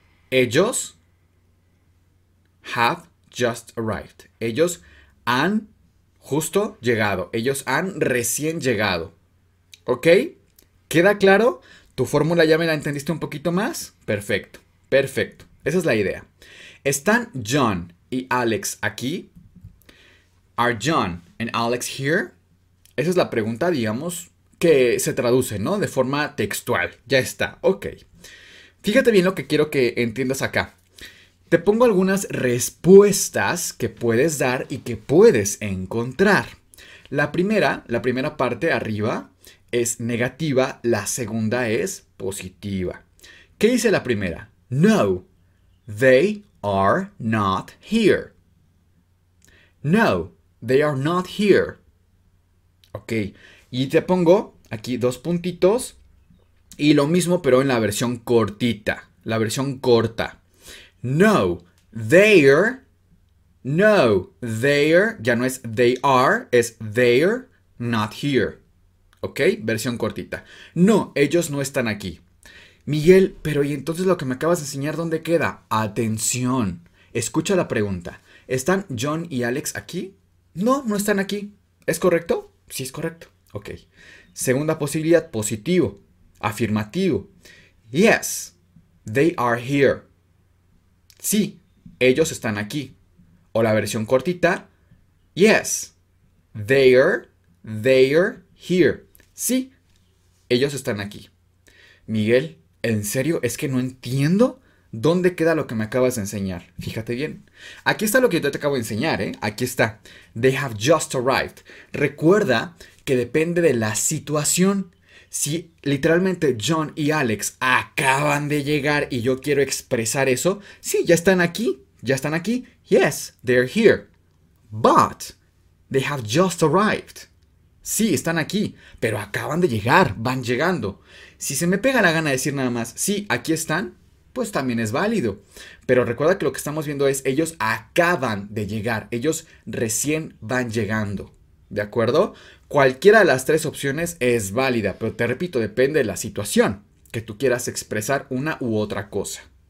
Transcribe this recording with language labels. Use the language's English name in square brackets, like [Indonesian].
[English] Ellos have just arrived. [Spanish] Ellos han justo llegado. Ellos han recién llegado. ¿Ok? ¿Queda claro? ¿Tu fórmula ya me la entendiste un poquito más? Perfecto, perfecto. Esa es la idea. ¿Están John y Alex aquí? [English] ¿Are John and Alex here? [Spanish] Esa es la pregunta, digamos, que se traduce, ¿no? De forma textual. Ya está. Ok. Fíjate bien lo que quiero que entiendas acá. Te pongo algunas respuestas que puedes dar y que puedes encontrar. La primera parte arriba es negativa, la segunda es positiva. ¿Qué dice la primera? [English] No, they are not here. No, they are not here. Ok. [Spanish] Y te pongo aquí dos puntitos y lo mismo pero en la versión cortita, la versión corta. [English] No, they're, no, they're, [Spanish] ya no es [English] they are, es they're not here. [Spanish] ¿Ok? Versión cortita. No, ellos no están aquí. Miguel, pero ¿y entonces lo que me acabas de enseñar dónde queda? Atención, escucha la pregunta. ¿Están John y Alex aquí? No, no están aquí. ¿Es correcto? Sí, es correcto. Ok. Segunda posibilidad, positivo, afirmativo. [English] Yes, they are here. [Spanish] Sí, ellos están aquí. O la versión cortita. [English] Yes, they're here. [Spanish] Sí, Ellos están aquí. Miguel, ¿en serio? Es que no entiendo dónde queda lo que me acabas de enseñar. Fíjate bien. Aquí está lo que yo te acabo de enseñar, ¿eh? Aquí está. [English] They have just arrived. [Spanish] Recuerda que depende de la situación. Si literalmente John y Alex acaban de llegar y yo quiero expresar eso, sí, ya están aquí. Ya están aquí. [English] Yes, they're here. But they have just arrived. [Spanish] Sí, están aquí, pero acaban de llegar, van llegando. Si se me pega la gana de decir nada más, sí, aquí están, pues también es válido. Pero recuerda que lo que estamos viendo es, ellos acaban de llegar, ellos recién van llegando, ¿de acuerdo? Cualquiera de las tres opciones es válida, pero te repito, depende de la situación, que tú quieras expresar una u otra cosa.